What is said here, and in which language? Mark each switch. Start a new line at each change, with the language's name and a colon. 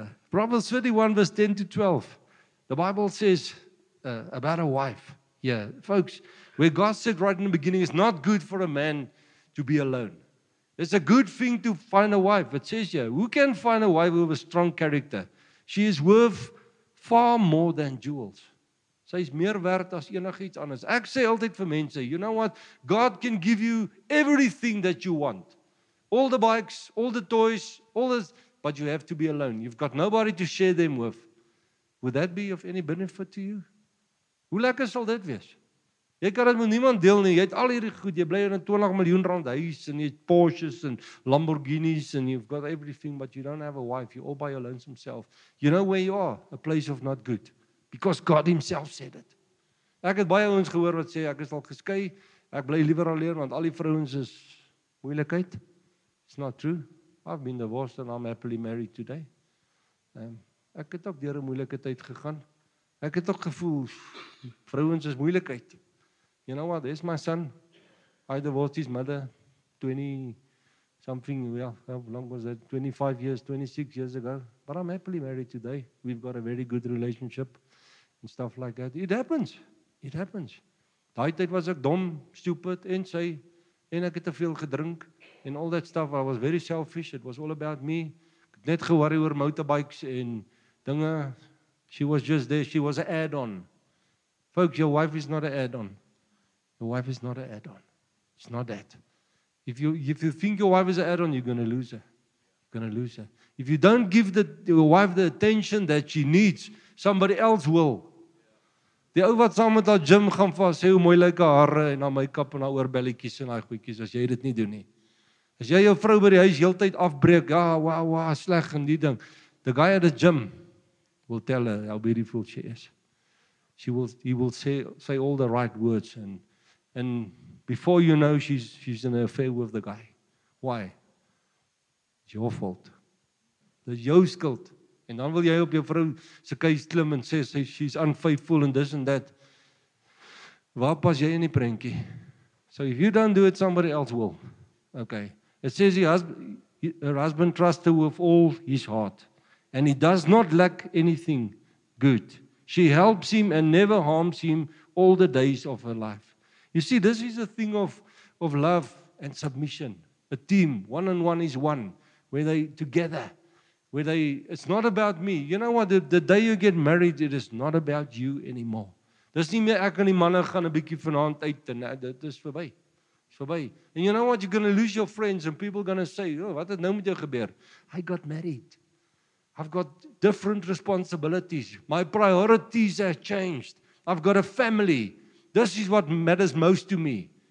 English: Proverbs 31 verse 10 to 12, the Bible says, about a wife. Yeah, folks, where God said right in the beginning, it's not good for a man to be alone. It's a good thing to find a wife. It says here, who can find a wife with a strong character? She is worth far more than jewels.
Afrikaans: Sy is meer werd as enigiets anders. Ek sê altyd vir mense,
English: you know what? God can give you everything that you want. All the bikes, all the toys, all this, but you have to be alone. You've got nobody to share them with. Would that be of any benefit to you?
Afrikaans: Hoe lekker sal dit wees? Jy kan dit met niemand deel nie. Jy het al hierdie goed. Jy bly in 'n 20 miljoen rand huis en jy het Porsches en Lamborghinis
English: and you've got everything, but you don't have a wife. You're all by your lonesome self. You know where you are? A place of not good. Because God himself said it.
Afrikaans: Ek het baie ouens gehoor wat sê, ek is al geskei, ek bly liever alleen, want al die vrouens is moeilikheid.
English: It's not true. I've been divorced and I'm happily married today.
Afrikaans: Ek het ook deur 'n moeilike tyd gegaan. Ek het ook gevoel, vrouens is moeilikheid.
English: You know what, there's my son. I divorced his mother 25 years, 26 years ago. But I'm happily married today. We've got a very good relationship and stuff like that. It happens. It happens.
Afrikaans: Daai tyd was ek dom, stupid, en sy, en ek het te veel gedrink,
English: and all that stuff. I was very selfish. It was all about me.
Afrikaans: Net gewarry oor motorbikes en dinge.
English: She was just there. She was an add-on. Folks, your wife is not an add-on. Your wife is not an add-on. It's not that. If you think your wife is an add-on, you're going to lose her. You're going to lose her. If you don't give your wife the attention that she needs, somebody else will.
Afrikaans: Die ou wat saam met haar gym gaan vas, sê hoe mooi lyk haar hare en haar make-up en haar oorbelletjies en haar goedjies, as jy dit nie doen nie. As jy jou vrou by die huis heeltyd afbreek, ja, wow, sleg en die ding.
English: The guy at the gym will tell her how beautiful she is. He will say all the right words, and before you know, she's in an affair with the guy. Why? It's your fault. It's
Afrikaans: jou skuld. En dan wil jy op jou vrou se keus klim en sê
English: she's unfaithful and this and that.
Afrikaans: Waar pas jy in die prentjie?
English: So if you don't do it, somebody else will. Okay. It says her husband trusts her with all his heart. And he does not lack anything good. She helps him and never harms him all the days of her life. You see, this is a thing of love and submission. A team, one and one is one, where they together, where they, it's not about me. You know what? The day you get married, it is not about you anymore.
Afrikaans: Dis nie meer ek en die manne gaan 'n bietjie vanaand uit en dit is verby. Dis verby.
English: And you know what? You're going to lose your friends and people are going to say,
Afrikaans: "Oh, wat het nou met jou gebeur?"
English: I got married. I've got different responsibilities. My priorities have changed. I've got a family. This is what matters most to me.